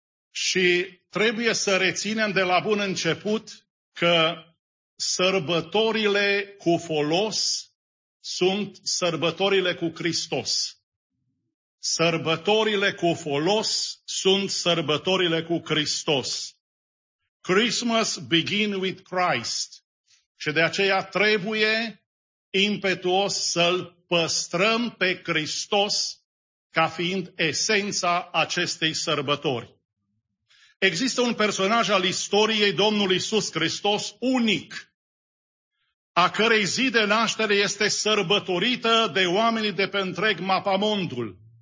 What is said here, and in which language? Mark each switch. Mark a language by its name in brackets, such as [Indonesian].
[Romanian] Și trebuie să reținem de la bun început că sărbătorile cu folos sunt sărbătorile cu Hristos. Sărbătorile cu folos sunt sărbătorile cu Hristos. [English] Christmas begin with Christ. [Romanian] Și de aceea trebuie impetuos să-L păstrăm pe Hristos ca fiind esența acestei sărbători. Există un personaj al istoriei, Domnul Iisus Hristos, unic, a cărei zi de naștere este sărbătorită de oamenii de pe întreg mapamondul.